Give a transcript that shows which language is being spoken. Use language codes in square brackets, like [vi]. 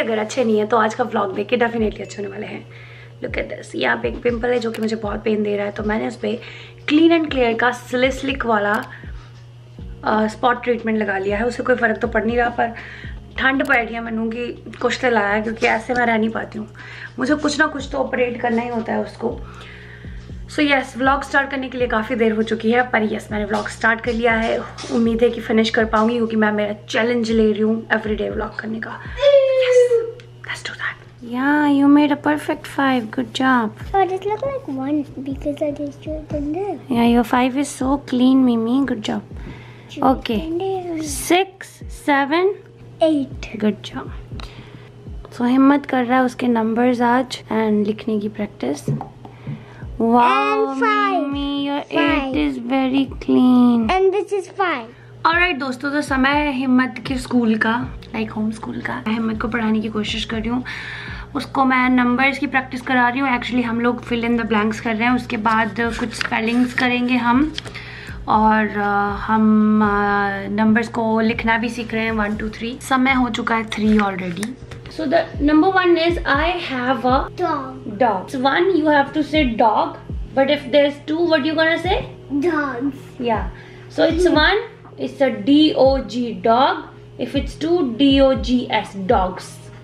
[hi] अगर अच्छे नहीं है तो आज का व्लॉग देख के डेफिनेटली अच्छे होने वाले हैं। लुक एट दिस, यहाँ पे एक पिंपल है जो कि मुझे बहुत पेन दे रहा है, तो मैंने उस पर क्लीन एंड क्लियर का सिलिसिलिक वाला स्पॉट ट्रीटमेंट लगा लिया है। उससे कोई फ़र्क तो पड़ नहीं रहा, पर ठंड पड़ गया मैनू कि कुछ तो लाया, क्योंकि ऐसे मैं रह नहीं पाती हूँ, मुझे कुछ ना कुछ तो ऑपरेट करना ही होता है उसको। सो यस, व्लॉग स्टार्ट करने के लिए काफ़ी देर हो चुकी है, पर यस मैंने व्लॉग स्टार्ट कर लिया है। उम्मीद है कि फिनिश कर पाऊंगी, क्योंकि मैं मेरा चैलेंज ले रही हूँ एवरीडे व्लॉग करने का। [en] Yes, let's do that. Yeah, you made a perfect 5. Good job. So it looks like 1 because I just drew it in there. Yeah, your 5 is so clean, Mimi. Good job. Okay. 6, 7, 8. Good job. [hi] So हिम्मत कर रहा है उसके numbers आज and लिखने की practice. [en] Wow, Mimi, your 8 is very clean. And this is 5. All right, [hi] दोस्तों, तो समय है हिम्मत के स्कूल का, लाइक होम स्कूल का। मैं हिम्मत को पढ़ाने की कोशिश कर रही हूँ, उसको मैं नंबर्स की प्रैक्टिस करा रही हूँ। एक्चुअली हम लोग फिल इन द ब्लैंक्स कर रहे हैं, उसके बाद कुछ स्पेलिंग्स करेंगे हम, और हम नंबर्स को लिखना भी सीख रहे हैं। 1, 2, 3। समय हो चुका है 3 already. [en] So the number one is I have a dog. So one, you have to say dog. But if there's two, what are you gonna say? Dogs. Yeah. So it's one. It's a D-O-G dog. If it's two, D-O-G-S dogs.